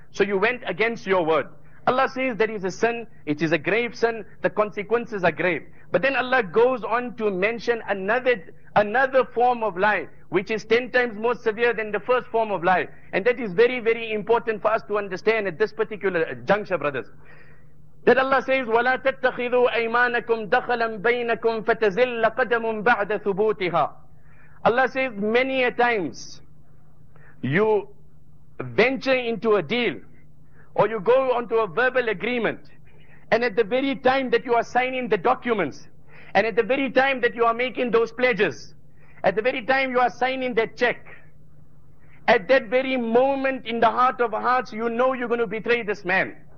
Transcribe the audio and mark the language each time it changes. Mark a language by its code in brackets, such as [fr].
[en] So you went against your word. Allah says that is a sin, it is a grave sin, the consequences are grave. But then Allah goes on to mention another form of lie, which is 10 times more severe than the first form of lie. And that is very, very important for us to understand at this particular juncture, brothers. That Allah says, [ar] وَلَا تَتَّخِذُوا أَيْمَانَكُمْ دَخَلًا بَيْنَكُمْ فَتَزِلَّ قَدَمٌ بَعْدَ ثُبُوتِهَا. [en] Allah says, many a times you venture into a deal, or you go onto a verbal agreement, and at the very time that you are signing the documents, and at the very time that you are making those pledges, At the very time you are signing that check, at that very moment in the heart of hearts, you know you're going to betray this man.